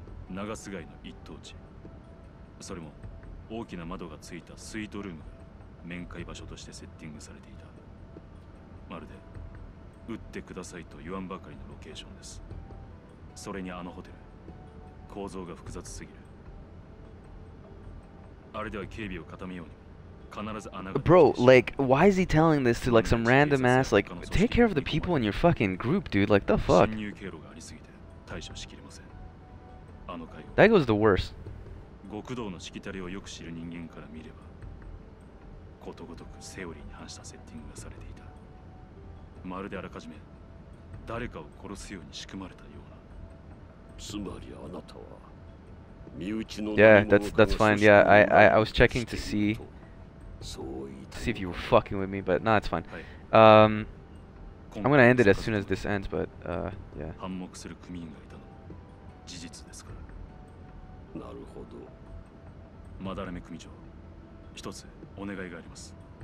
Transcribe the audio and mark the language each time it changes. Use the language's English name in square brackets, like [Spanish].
[Japanese] 長洲街の一等地、それも大きな窓がついたスイートルームが面会場所としてセッティングされていた。まるで打ってくださいと言わんばかりのロケーションです。それにあのホテル、構造が複雑すぎる。あれでは警備を固めようにも必ず穴が。 [English] Bro, like, why is he telling this to like some random ass? Like, take care of the people in your fucking group, dude. Like, the fuck? [Japanese] 侵入経路がありすぎて対処しきれません。あの会話、 [English] That goes the worst. [Japanese] 極道のしきたりをよく知る人間から見れば、ことごとくセオリーに反したセッティングがされていた。まるであらかじめ誰かを殺すように仕組まれた。 [English] Yeah, that's fine. Yeah, I was checking to see if you were fucking with me, but no, it's fine. I'm gonna end it as soon as this ends, but yeah. [Japanese] 反目する組員がいたのも事実ですから。なるほど。マダラメ組長、一つお願いがあります。